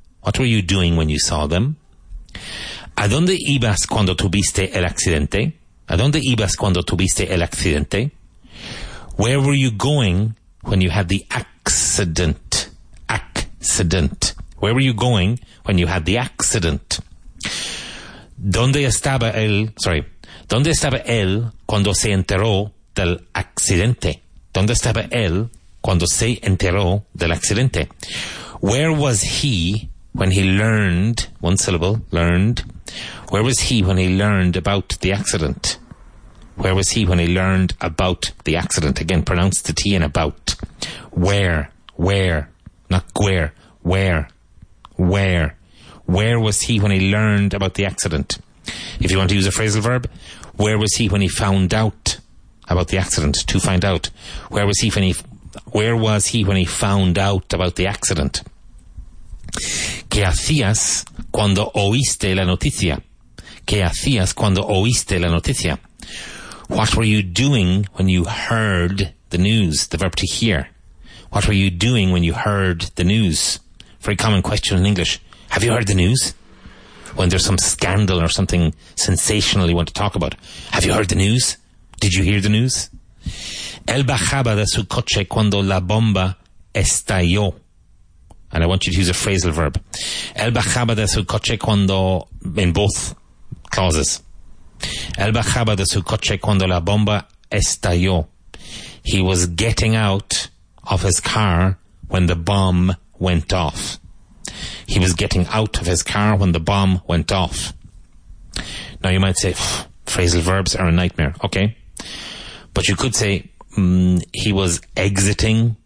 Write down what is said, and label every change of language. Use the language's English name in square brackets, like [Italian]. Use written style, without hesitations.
[English] What were you doing when you saw them? [Spanish] ¿A dónde ibas cuando tuviste el accidente? ¿A dónde ibas cuando tuviste el accidente? [English] Where were you going when you had the accident? Accident. Where were you going when you had the accident? [Spanish] ¿Dónde estaba él cuando se enteró del accidente? ¿Dónde estaba él cuando se enteró del accidente? [English] Where was he when he learned, one syllable, learned. Where was he when he learned about the accident? Where was he when he learned about the accident? Again, pronounce the T in about. Where, not where, where. Where was he when he learned about the accident? If you want to use a phrasal verb, where was he when he found out about the accident? To find out. Where was he when he found out about the accident? [Spanish] ¿Qué hacías cuando oíste la noticia? ¿Qué hacías cuando oíste la noticia? [English] What were you doing when you heard the news? The verb to hear. What were you doing when you heard the news? Very common question in English. Have you heard the news? When there's some scandal or something sensational you want to talk about. Have you heard the news? Did you hear the news? [Spanish] Él bajaba de su coche cuando la bomba estalló. [English] And I want you to use a phrasal verb. [Spanish] Él bajaba de su coche cuando, [English] in both clauses. [Spanish] Él bajaba de su coche cuando la bomba estalló. [English] He was getting out of his car when the bomb went off. He was getting out of his car when the bomb went off. Now you might say, phrasal verbs are a nightmare. Okay. But you could say, he was exiting.